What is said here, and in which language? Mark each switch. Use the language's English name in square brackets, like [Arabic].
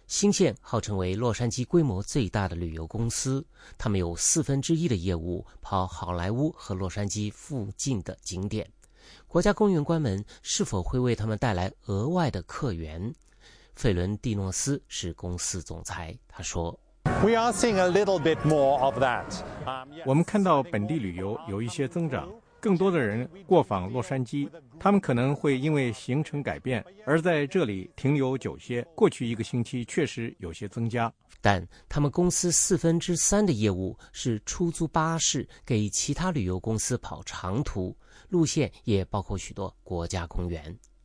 [Chinese] 新线号称为洛杉矶规模最大的旅游公司，他们有1/4的业务跑好莱坞和洛杉矶附近的景点。国家公园关门是否会为他们带来额外的客源？费伦蒂诺斯是公司总裁，他说， [English] We are seeing a little bit more of that. [Chinese] 我们看到本地旅游有一些增长，更多的人过访洛杉矶，他们可能会因为行程改变而在这里停留久些。过去一个星期确实有些增加，但他们公司3/4的业务是出租巴士给其他旅游公司跑长途，路线也包括许多国家公园。